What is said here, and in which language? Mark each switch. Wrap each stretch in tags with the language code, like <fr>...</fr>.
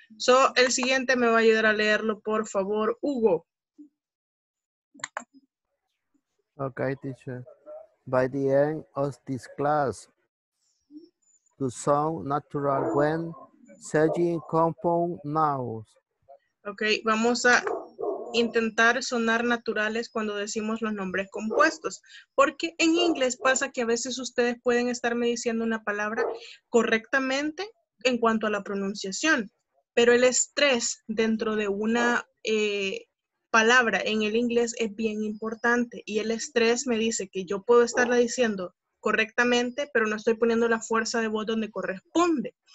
<es>So, el siguiente me va a ayudar a leerlo, por favor, Hugo.</es> <en>Okay, teacher. By the end of this class, to sound natural when searching compound nouns.</en> <es>Okay, vamos a intentar sonar naturales cuando decimos los nombres compuestos. Porque en inglés pasa que a veces ustedes pueden estarme diciendo una palabra correctamente en cuanto a la pronunciación. Pero el estrés dentro de una... palabra en el inglés es bien importante y el estrés me dice que yo puedo estarla diciendo correctamente, pero no estoy poniendo la fuerza de voz donde corresponde.</es>